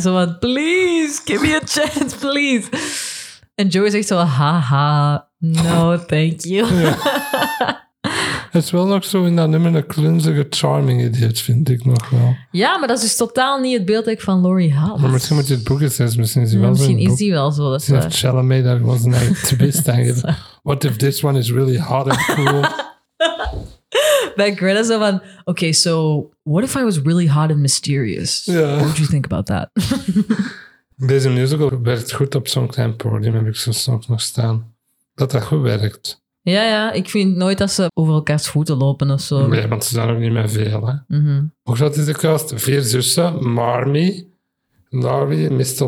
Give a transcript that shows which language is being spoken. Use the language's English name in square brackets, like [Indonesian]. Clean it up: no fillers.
[Dutch] Zo van, [English] please, give me a chance, please. [Dutch] En Joe is echt zo, haha, [English] no, thank you. [Dutch] Ja. Het is wel nog zo in dat nummer een klunzige, [English] charming idiot, [Dutch] vind ik nog wel. Ja, maar dat is dus totaal niet het beeld dat ik van Laurie had. Maar misschien moet je het boek eens lezen. Misschien is hij wel zo. Misschien is hij wel zo. Dat is heeft Chalamet daar was een eigen twist aan gegeven. [English] What if this one is really hot and cool? [Dutch] Bij Greta zo van, [English] okay, so what if I was really hot and mysterious? Yeah. What would you think about that? [Dutch] Deze musical werkt goed op zo'n klein podium, heb ik zo'n song nog staan. Dat dat goed werkt. Ja, ja, ik vind nooit dat ze over elkaars voeten lopen of zo. Nee, want ze zijn ook niet meer veel, hè. Mm-hmm. Hoe groot is de cast? 4 zussen, Marmy, Laurie, Mr.